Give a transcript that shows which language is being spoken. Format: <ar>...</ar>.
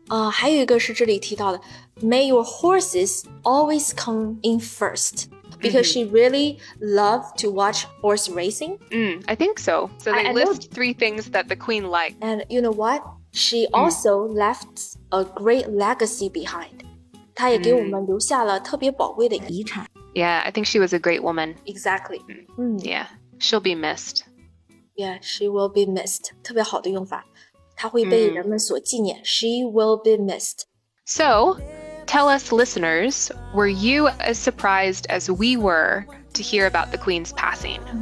<zh>还有一个是这里提到的</zh> <en>May your horses always come in first. Because she really loved to watch horse racing. I think so. So they list three things that the queen liked. And you know what? She also left a great legacy behind.</en> <zh>她也给我们留下了特别宝贵的遗产。</zh> <en>Yeah, I think she was a great woman. Exactly. Yeah, she'll be missed. Yeah, she will be missed.</en> <zh>特别好的用法。她会被人们所纪念。</zh> <en>She will be missed. So, tell us listeners, were you as surprised as we were to hear about the Queen's passing?</en>